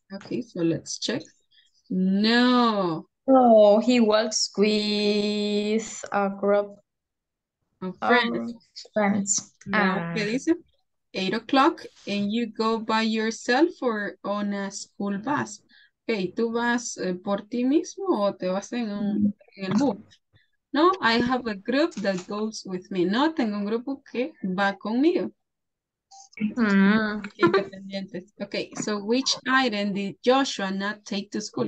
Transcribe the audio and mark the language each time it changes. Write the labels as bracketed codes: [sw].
[en] Okay, so let's check. No. Oh, he walks with a group of friends. [es] No, ¿qué dice? [en] 8 o'clock, and you go by yourself or on a school bus. [es] Okay, ¿tú vas por ti mismo o te vas en un bus? [en] No, I have a group that goes with me. [es] No, tengo un grupo que va conmigo. [en] Independientes. Okay, so which item did Joshua not take to school?